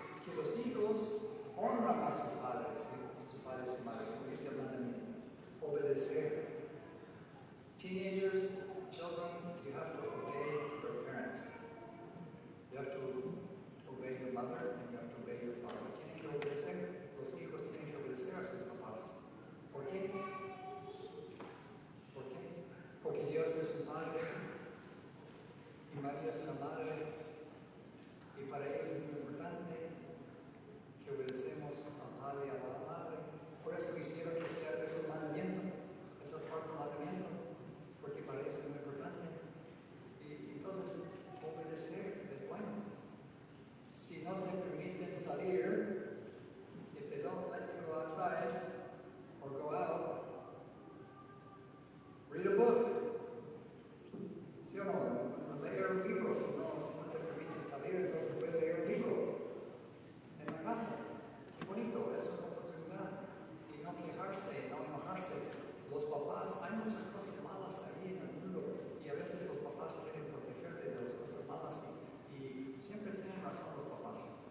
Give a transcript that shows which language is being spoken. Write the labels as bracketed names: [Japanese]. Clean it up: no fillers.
[Spanish] Que los hijos honran a sus padres, ¿sí? Padres y madres, este mandamiento, obedecer. [English] Teenagers, children, you have to obey your parents. You have to obey your mother and you have to obey your father. [Spanish] Tienen que obedecer, los hijos tienen que obedecer a sus papás. ¿Por qué? ¿Por qué? Porque Dios es su padre y María es una madre y para ellos es muy importante que obedecemos a padre y a la madre. Por eso quisiera que sea ese mandamiento, ese cuarto mandamiento, porque para ellos es muy importante. Y entonces, obedecer es bueno. Si no te permiten salir, [English] if they don't let you go outside or go out, read a book. [Spanish] ¿Sí o no? No leer un libro, si no te permiten salir, entonces puedes leer un libro en la casa. Qué bonito, es una oportunidad. No quejarse, no enojarse. Los papás, hay muchas cosas malas ahí en el mundo y a veces los papás quieren protegerte de las cosas malas y siempre tienen razón los papás.